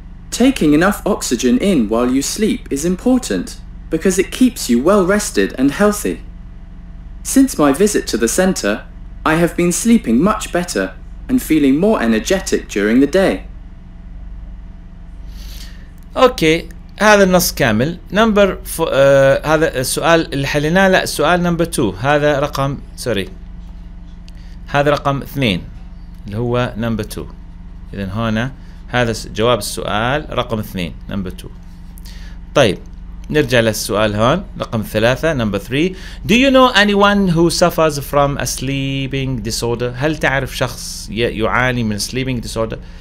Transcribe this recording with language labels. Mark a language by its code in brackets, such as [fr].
[en] Taking enough oxygen in while you sleep is important, because it keeps you well rested and healthy. Since my visit to the center, I have been sleeping much better and feeling more energetic during the day. [ar] Okay, هذا النص كامل. Number هذا السؤال اللي حليناه. لا, السؤال [en] number two. [ar] هذا رقم sorry. هذا رقم اثنين اللي هو [en] number two. [ar] إذن هنا هذا جواب السؤال رقم اثنين number two. طيب. نرجع للسؤال هون رقم ثلاثة [en] number three. Do you know anyone who suffers from a sleeping disorder? [ar] هل تعرف شخص يعاني من [en] sleeping disorder?